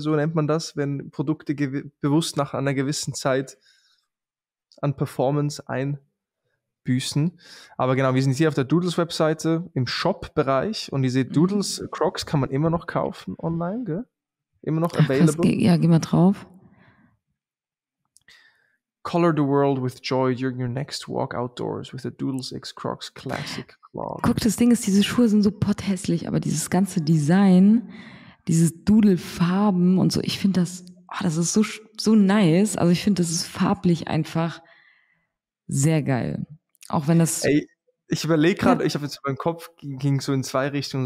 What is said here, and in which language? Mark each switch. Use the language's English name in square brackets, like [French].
[German] So nennt man das, wenn Produkte bewusst nach einer gewissen Zeit an Performance einbüßen. Aber genau, wir sind hier auf der Doodles-Webseite im Shop-Bereich und ihr seht, Doodles Crocs kann man immer noch kaufen online, gell? Immer noch available. Geh mal drauf. [English] Color the world with joy during your next walk outdoors with the Doodles X Crocs Classic Clog. [German] Guck, das Ding ist, diese Schuhe sind so potthässlich, aber dieses ganze Design, dieses Doodle-Farben und so, ich finde das, das ist so nice. Also ich finde, das ist farblich einfach sehr geil. Auch wenn das. Ey, ich überlege gerade, ich habe jetzt meinen Kopf, ging so in 2 Richtungen.